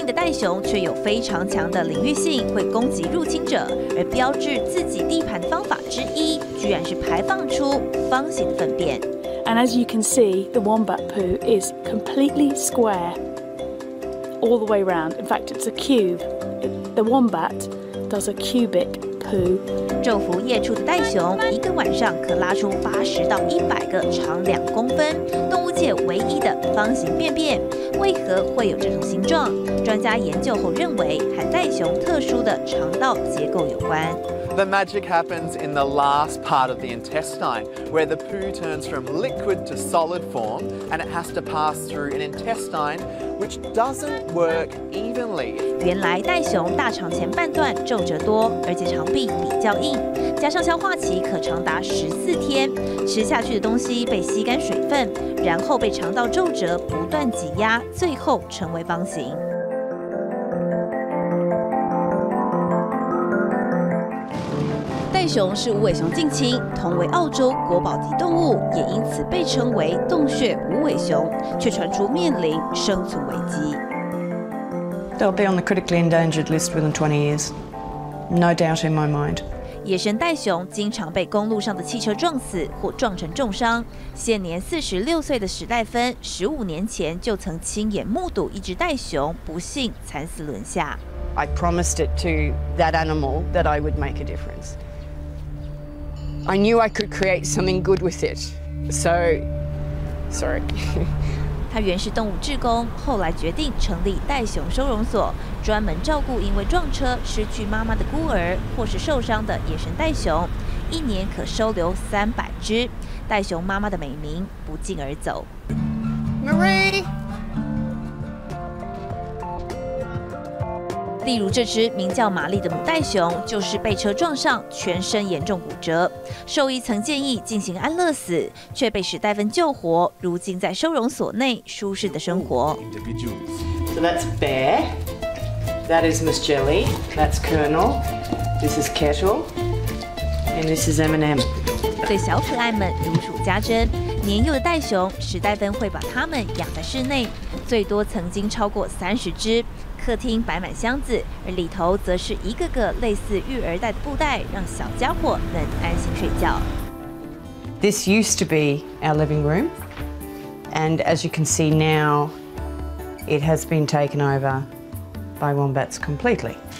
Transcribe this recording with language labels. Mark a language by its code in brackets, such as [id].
[zh] 熊却有非常强的领域性，会攻击入侵者，而标志自己地盘的方法之一，居然是排放出方形的粪便。 [en] And as you can see, the wombat poo is completely square all the way round. In fact, it's a cube. The wombat does a cubic poo. [zh] 昼伏夜出的袋熊，一个晚上可拉出80到100个，长2公分，动物界唯一的方形便便。为何会有这种形状？专家研究后认为，和袋熊特殊的肠道结构有关。 [en] The magic happens in the last part of the intestine, where the poo turns from liquid to solid form, and it has to pass through an intestine which doesn't work evenly. [zh] 原来袋熊大肠前半段皱褶多，而且肠壁比较硬，加上消化期可长达14天，吃下去的东西被吸干水分，然后被肠道皱褶不断挤压，最后成为方形。袋熊是无尾熊近亲，同为澳洲国宝级动物，也因此被称为洞穴无尾熊，却传出面临生存危机。 [en] They'll be on the critically endangered list within 20 years, no doubt in my mind. [zh] 野生袋熊经常被公路上的汽车撞死或撞成重伤。现年46岁的史黛芬，15年前就曾亲眼目睹一只袋熊不幸惨死轮下。 [en] I promised it to that animal that I would make a difference. I knew I could create something good with it, so, sorry. [zh] 他原是动物志工，后来决定成立袋熊收容所，专门照顾因为撞车失去妈妈的孤儿或是受伤的野生袋熊，一年可收留300只。袋熊妈妈的美名不胫而走。 [en] Marie. [zh] 例如这只名叫玛丽的母袋熊，就是被车撞上，全身严重骨折。兽医曾建议进行安乐死，却被史黛芬救活，如今在收容所内舒适的生活。 [en] So that's Bear. That is Miss Jelly. That's Colonel. This is Kettle. And this is M&M. [zh] 对小可爱们如数家珍。年幼的袋熊，史黛芬会把它们养在室内，最多曾经超过30只。客厅摆满箱子，而里头则是一个个类似育儿袋的布袋，让小家伙能安心睡觉。 [en] This used to be our living room, and as you can see now, it has been taken over by wombats completely.